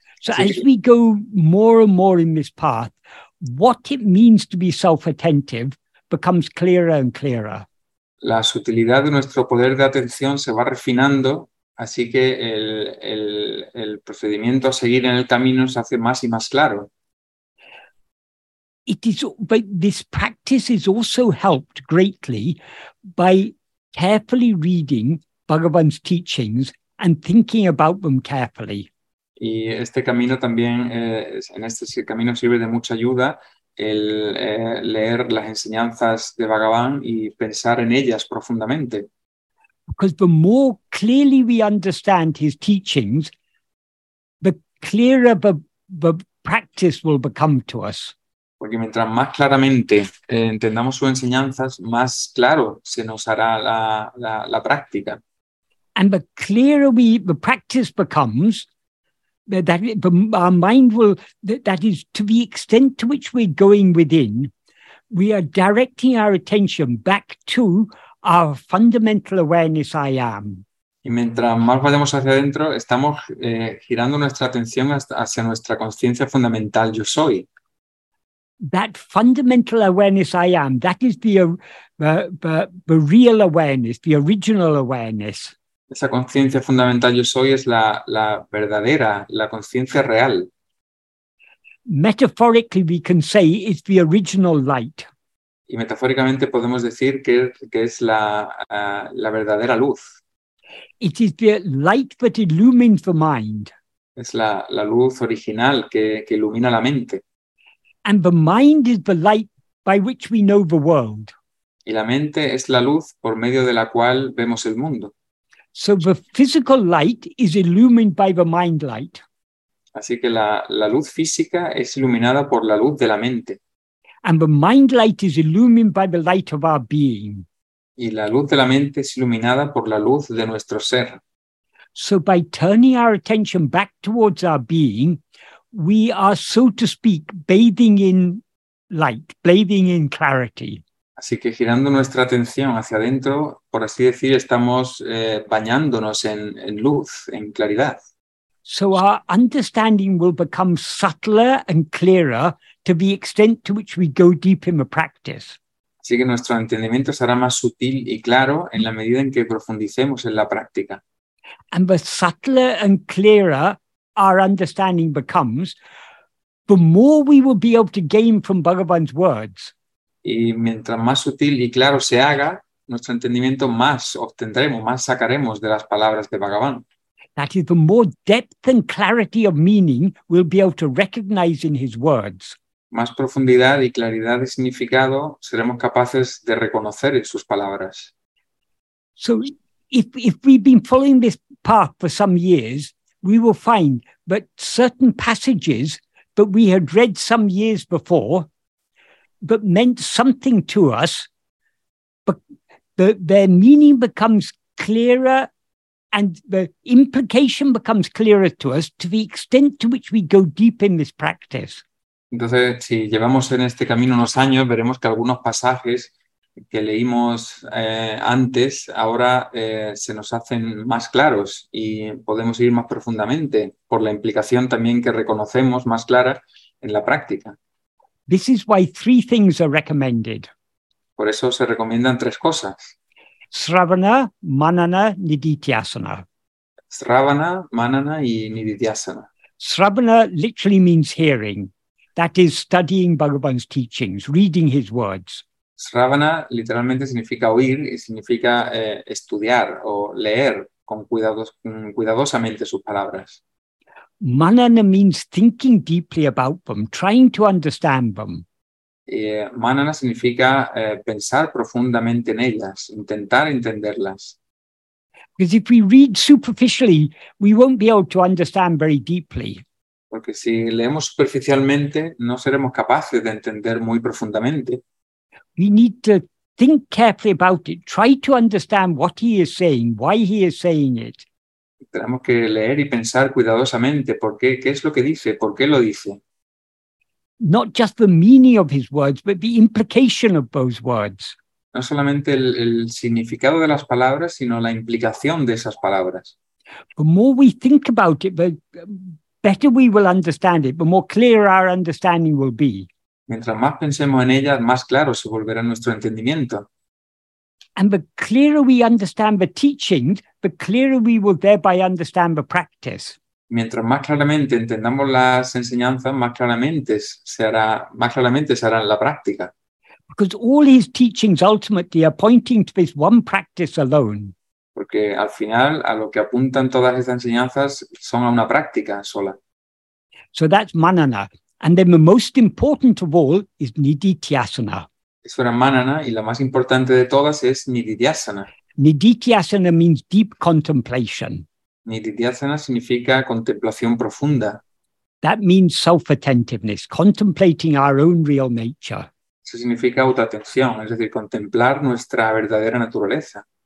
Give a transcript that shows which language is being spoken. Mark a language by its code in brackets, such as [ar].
[en] So as we go more and more in this path, what it means to be self-attentive becomes clearer and clearer. [es] La sutilidad de nuestro poder de atención se va refinando, así que el procedimiento a seguir en el camino se hace más y más claro. [en] It is, but this practice is also helped greatly by carefully reading Bhagavan's teachings and thinking about them carefully. [es] Y este camino también, en este camino sirve de mucha ayuda el leer las enseñanzas de Bhagavan y pensar en ellas profundamente. [en] Because the more clearly we understand his teachings, the clearer the practice will become to us. [es] Porque mientras más claramente entendamos sus enseñanzas, más claro se nos hará la práctica. [en] And the clearer the practice becomes, our mind will, that is, to the extent to which we're going within, we are directing our attention back to our fundamental awareness, I am. [es] Y mientras más vayamos hacia adentro, estamos girando nuestra atención hacia nuestra conciencia fundamental, yo soy. [en] That fundamental awareness, I am, that is the real awareness, the original awareness. [es] Esa conciencia fundamental yo soy es la verdadera, la conciencia real. [en] Metaphorically, we can say it's the original light. [es] Y metafóricamente podemos decir que es la verdadera luz. [en] It is the light that illumines the mind. [es] Es la luz original que ilumina la mente. [en] And the mind is the light by which we know the world. [es] Y la mente es la luz por medio de la cual vemos el mundo. [en] So the physical light is illumined by the mind light. [es] Así que la luz física es iluminada por la luz de la mente. [en] And the mind light is illumined by the light of our being. [es] Y la luz de la mente es iluminada por la luz de nuestro ser. [en] So by turning our attention back towards our being, we are, so to speak, bathing in light, bathing in clarity. [es] Así que girando nuestra atención hacia adentro, por así decir, estamos bañándonos en luz, en claridad. [en] So our understanding will become subtler and clearer to the extent to which we go deep in the practice. [es] Así que nuestro entendimiento será más sutil y claro en la medida en que profundicemos en la práctica. [en] And the subtler and clearer our understanding becomes, the more we will be able to gain from Bhagavan's words. [es] Y mientras más sutil y claro se haga, nuestro entendimiento más obtendremos, más sacaremos de las palabras de Bhagavan. [en] That is, the more depth and clarity of meaning we'll be able to recognize in his words. [es] Más profundidad y claridad de significado seremos capaces de reconocer en sus palabras. [en] So, if we've been following this path for some years, we will find that certain passages that we had read some years before, but meant something to us, but their meaning becomes clearer and the implication becomes clearer to us to the extent to which we go deep in this practice. [es] Entonces, si llevamos en este camino unos años, veremos que algunos pasajes que leímos antes, ahora se nos hacen más claros y podemos ir más profundamente por la implicación también que reconocemos más clara en la práctica. [en] This is why three things are recommended. [es] Por eso se recomiendan tres cosas. [en] Sravana, Manana, Nididhyasana. [es] Sravana, Manana y Nididhyasana. [en] Sravana literally means hearing. That is studying Bhagavan's teachings, reading his words. [es] Sravana literalmente significa oír y significa estudiar o leer cuidadosamente sus palabras. [en] Manana means thinking deeply about them, trying to understand them. [es] Manana significa pensar profundamente en ellas, intentar entenderlas. [en] Because if we read superficially, we won't be able to understand very deeply. [es] Porque si leemos superficialmente, no seremos capaces de entender muy profundamente. [en] We need to think carefully about it, try to understand what he is saying, why he is saying it. [es] Tenemos que leer y pensar cuidadosamente por qué, qué es lo que dice, por qué lo dice. [en] Not just the meaning of his words, but the implication of those words. [es] No solamente el significado de las palabras, sino la implicación de esas palabras. [en] The more we think about it, the better we will understand it, the more clear our understanding will be. [es] Mientras más pensemos en ellas, más claro se volverá nuestro entendimiento. [en] And the clearer we understand the teachings, the clearer we will thereby understand the practice. [es] Mientras más claramente entendamos las enseñanzas, más claramente se hará la práctica. [en] Because all his teachings ultimately are pointing to this one practice alone. [es] Porque al final a lo que apuntan todas estas enseñanzas son a una práctica sola. [en] So that's Manana. And then the most important of all is Nidityasana. [es] Eso era Manana y la más importante de todas es Nididhyasana. [en] Nidityasana means deep contemplation. [es] Nididhyasana significa contemplación profunda. [en] That means self-attentiveness, contemplating our own real nature. [es] Eso significa autoatención, es decir, contemplar nuestra verdadera naturaleza.